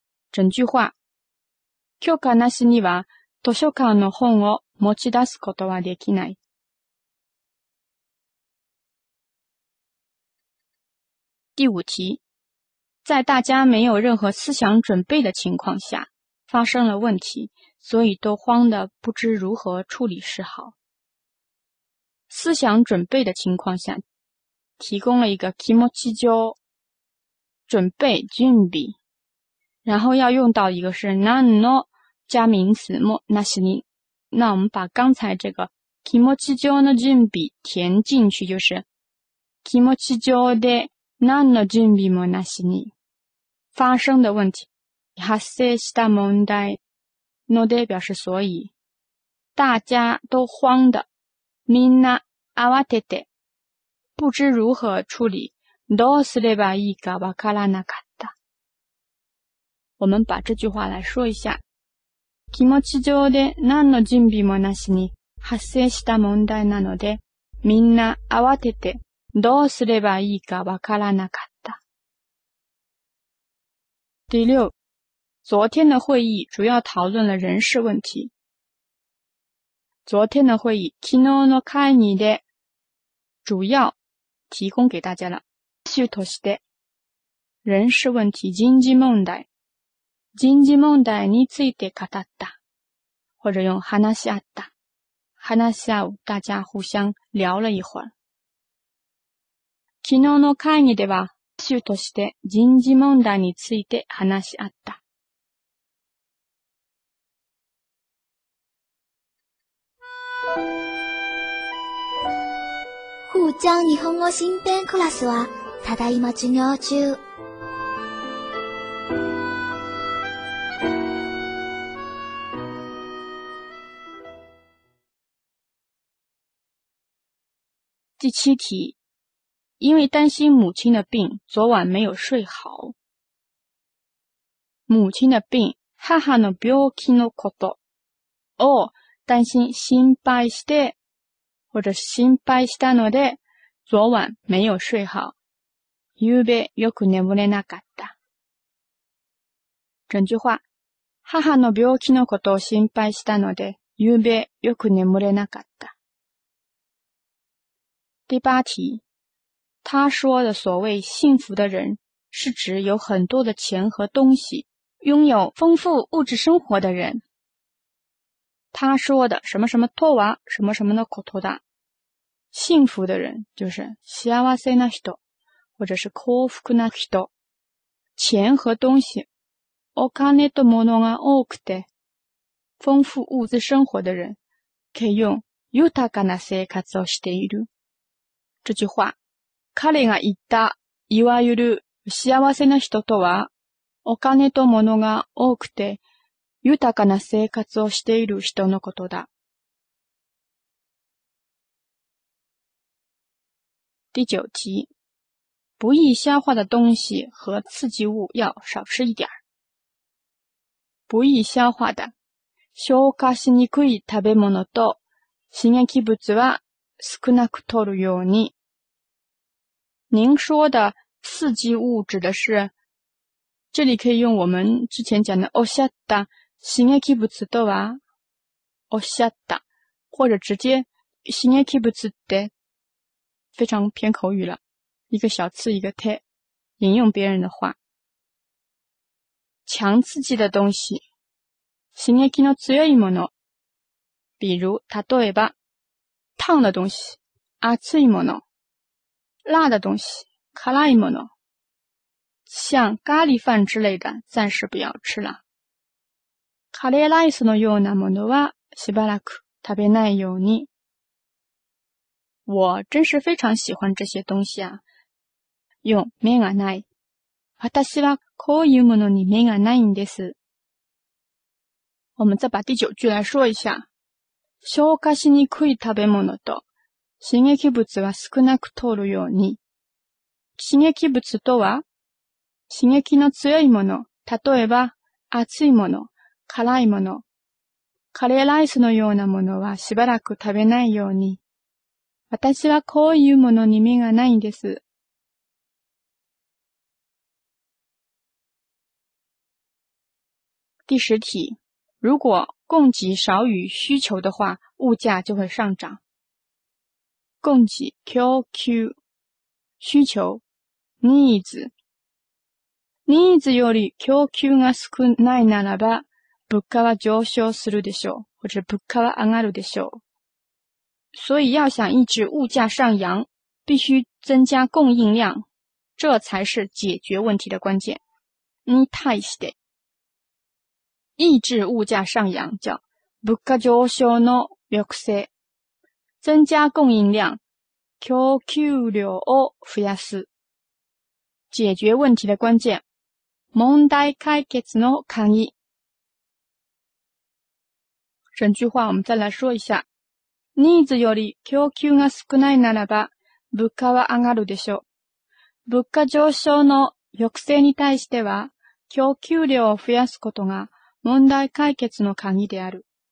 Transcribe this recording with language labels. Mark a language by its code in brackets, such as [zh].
[zh] 整句话， [ja] 許可なしには図書館の本を持ち出すことはできない。 [zh] 第五题，在大家没有任何思想准备的情况下发生了问题，所以都慌得不知如何处理是好。思想准备的情况下，提供了一个 [ja] 気持ち上， [zh] 准备 [ja] 準備， [zh] 然后要用到一个是なんの加名词もなしに。那我们把刚才这个 [ja] 気持ち上の準備 [zh] 填进去，就是 [ja] 気持ち上で何の準備もなしに， [zh] 发生的问题， [ja] 発生した問題ので [zh] 表示所以，大家都慌的， [ja] みんな慌てて， [zh] 不知如何处理， [ja] どうすればいいかわからなかった。 [zh] 我们把这句话来说一下， [ja] 気持ち上で何の準備もなしに発生した問題なので、みんな慌ててどうすればいいかわからなかった。 [zh] 第六，昨天的会议主要讨论了人事问题。昨天的会议， [ja] 昨日の会議で， [zh] 主要提供给大家了。 [ja] 主として， [zh] 人事问题， [ja] 人事問題，人事問題について語った， [zh] 或者用 [ja] 話し合った，話し合う， [zh] 大家互相聊了一会儿。 [ja] 昨日の会議では、主として人事問題について話し合った。沪江日本語新編クラスは、ただいま授業中。 [zh] 第七题，因为担心母亲的病，昨晚没有睡好。母亲的病， [ja] 母の病気のこと， [zh] 哦，担心， [ja] 心配して， [zh] 或者 [ja] 心配したので， [zh] 昨晚没有睡好。 [ja] ゆうべよく眠れなかった。 [zh] 整句话， [ja] 母の病気のことを心配したので、ゆうべよく眠れなかった。 [zh] 第八题，他说的所谓幸福的人，是指有很多的钱和东西，拥有丰富物质生活的人。他说的什么什么とは什么什么のことだ，幸福的人就是 [ja] 幸せな人， [zh] 或者是 [ja] 幸福な人。 [zh] 钱和东西， [ja] お金と物が多くて， [zh] 丰富物质生活的人， [ja] 可以用豊かな生活をしている。 [zh] 这句话， [ja] 彼が言ったいわゆる幸せな人とは、お金と物が多くて豊かな生活をしている人のことだ。 [zh] 第九题，不易消化的东西和刺激物要少吃一点。不易消化的、 [ja] 消化しにくい食べ物と刺激物は少なく取るように。 [zh] 您说的刺激物指的是，这里可以用我们之前讲的 [ja] おっしゃった刺激物とは、おっしゃった， [zh] 或者直接 [ja] 刺激物って。 [zh] 非常偏口语了，一个小刺一个贴，引用别人的话。强刺激的东西， [ja] 刺激の強いもの， [zh] 比如 [ja] 例えば [zh] 烫的东西， [ja] 熱いもの， [zh] 辣的东西， [ja] 辛いもの， [zh] 像咖喱饭之类的暂时不要吃了。 [ja] カレーライスのようなものはしばらく食べないように。 [zh] 我真是非常喜欢这些东西啊。 [ja] 用目がない。私はこういうものに目がないんです。 [zh] 我们再把第九句来说一下。 [ja] 消化しにくい食べ物と刺激物は少なく取るように。刺激物とは刺激の強いもの。例えば、熱いもの、辛いもの。カレーライスのようなものはしばらく食べないように。私はこういうものに目がないんです。 [zh] 第十题，如果供给少于需求的话，物价就会上涨。供给 QQ， 需求 [en] needs。 [ja] needs より供給が少ないならば、物価は上昇するでしょう。或者物価は上がるでしょう。 [zh] 所以要想抑制物价上扬，必须增加供应量，这才是解决问题的关键。 [ja] に対して、 [zh] 抑制物价上扬叫 [ja] 物価上昇の抑制， [zh] 增加供应量 [ja] 供給量を増やす。 [zh] 解决问题的关键 [ja] 問題解決の鍵。 [zh] 整句话我们再来说一下。 [ja] ニーズより供給が少ないならば、物価は上がるでしょう。物価上昇の抑制に対しては、供給量を増やすことが問題解決の鍵である。